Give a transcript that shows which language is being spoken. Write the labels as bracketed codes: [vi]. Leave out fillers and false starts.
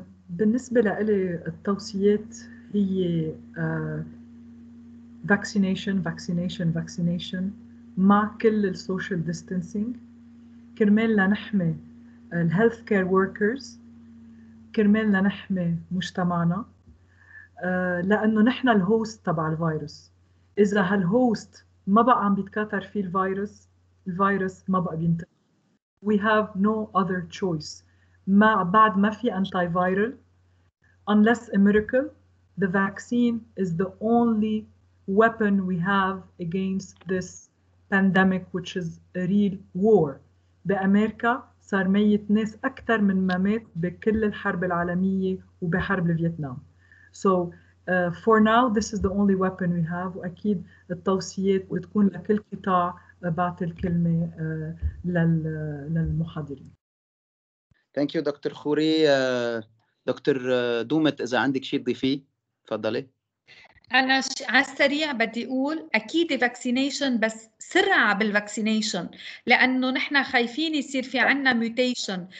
[ar] بالنسبة لألي التوصيات هي vaccination مع كل الـ social distancing كرمال لنحمي الـ healthcare workers كرمال لنحمي مجتمعنا لأنه نحن الـ host تبع الفيروس. إذا هالـ host ما بقى عم بيتكاثر فيه الفيروس ما بقى بينتقل. [en] We have no other choice. [ar] ما بعد ما في [en] antiviral, unless a miracle, the vaccine is the only weapon we have against this pandemic, which is a real war. [ar] بأمريكا صار ميت ناس أكثر من ما مات بكل الحرب العالمية وبحرب الفيتنام. [en] So for now, this is the only weapon we have. [ar] وأكيد التوصيات بتكون لكل قطاع بعت الكلمة للمحاضرين. [en] Thank you, Dr. Khoury. Dr. [ar] Dumit, إذا عندك شيء تضيفي، تفضلي. أنا على السريع بدي أقول أكيد vaccination بس سرعة بالvaccination لأنه نحن خايفين يصير في عنا mutation.